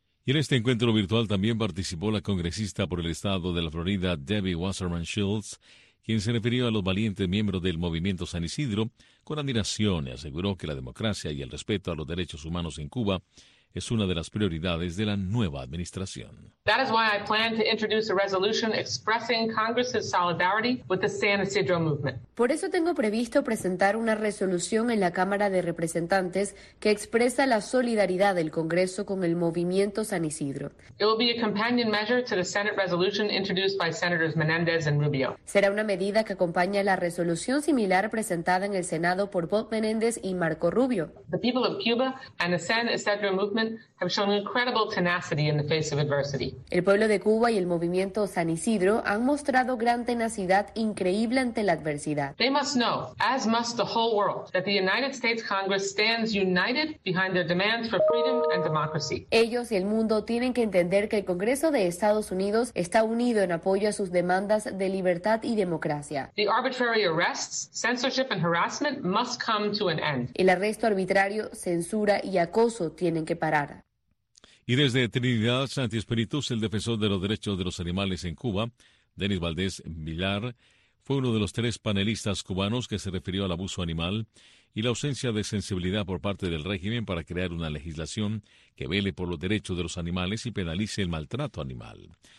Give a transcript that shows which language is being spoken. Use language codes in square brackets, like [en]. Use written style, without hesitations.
[es] Y en este encuentro virtual también participó la congresista por el estado de la Florida, Debbie Wasserman Schultz, quien se refirió a los valientes miembros del movimiento San Isidro con admiración y aseguró que la democracia y el respeto a los derechos humanos en Cuba es una de las prioridades de la nueva administración. [en] That is why I plan to introduce a resolution expressing Congress's solidarity with the San Isidro movement. [es] Por eso tengo previsto presentar una resolución en la Cámara de Representantes que expresa la solidaridad del Congreso con el movimiento San Isidro. [en] It will be a companion measure to the Senate resolution introduced by Senators Menendez and Rubio. [es] Será una medida que acompaña la resolución similar presentada en el Senado por Bob Menendez y Marco Rubio. [en] The people of Cuba and the San Isidro movement have shown incredible tenacity in the face of adversity. [es] El pueblo de Cuba y el movimiento San Isidro han mostrado gran tenacidad increíble ante la adversidad. [en] They must know, as must the whole world, that the United States Congress stands united behind their demands for freedom and democracy. [es] Ellos y el mundo tienen que entender que el Congreso de Estados Unidos está unido en apoyo a sus demandas de libertad y democracia. [en] The arbitrary arrests, censorship and harassment must come to an end. [es] El arresto arbitrario, censura y acoso tienen que parar. Y desde Trinidad Santi Espíritus, el defensor de los derechos de los animales en Cuba, Denis Valdés Villar, fue uno de los tres panelistas cubanos que se refirió al abuso animal y la ausencia de sensibilidad por parte del régimen para crear una legislación que vele por los derechos de los animales y penalice el maltrato animal.